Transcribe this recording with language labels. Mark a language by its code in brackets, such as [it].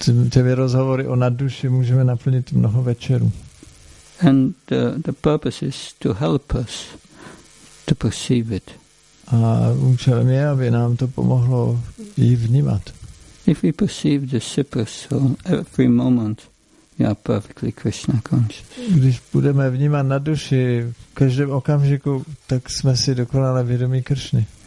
[cs] Těmi rozhovory o nadduši můžeme naplnit mnoho večerů. [en] And the purpose is to help us to perceive it. [cs] A účelem je, aby nám to pomohlo ji vnímat. [en] If we perceive the super soul every moment, we are perfectly Krishna conscious. [cs] Když budeme vnímat na duši v každém okamžiku, tak jsme si dokonale vědomí Kršny.